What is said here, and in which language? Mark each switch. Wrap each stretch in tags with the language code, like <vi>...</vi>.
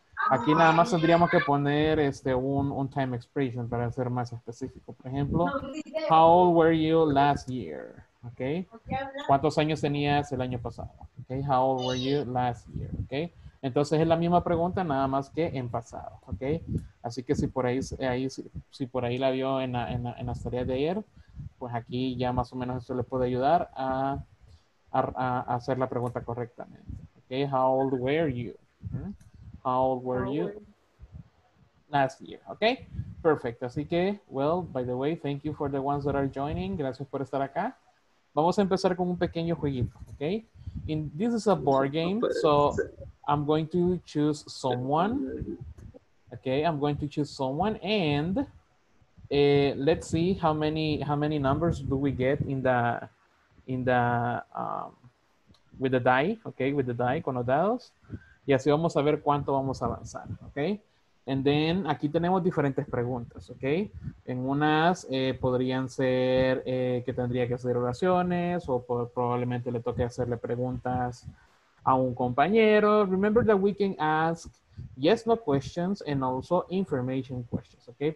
<es>Aquí nada más tendríamos que poner un time expression para ser más específico. Por ejemplo,</es> <en>how old were you last year?</en> <es>Okay. ¿Cuántos años tenías el año pasado? Okay.</es> <en>How old were you last year? Okay.</en> <es>Entonces es la misma pregunta nada más que en pasado. Okay. Así que si por ahí la vio en las tareas de ayer, pues aquí ya más o menos eso le puede ayudar a hacer la pregunta correctamente.</es> <en>Okay. How old were you? How old were you last year? Okay, perfect.</en> <es>Así que,</es> <en>well, by the way, thank you for the ones that are joining.</en> <es>Gracias por estar acá. Vamos a empezar con un pequeño jueguito, okay?</es> <en>And this is a board game, so I'm going to choose someone. Okay, I'm going to choose someone, and let's see how many numbers do we get with the die</en> <es>con los dados. Y así vamos a ver cuánto vamos a avanzar, ¿ok?</es> <en>And then,</en> <es>aquí tenemos diferentes preguntas, ¿ok? En unas podrían ser que tendría que hacer oraciones o probablemente le toque hacerle preguntas a un compañero.</es> <en>Remember that we can ask yes, no questions and also information questions, ¿ok?</en>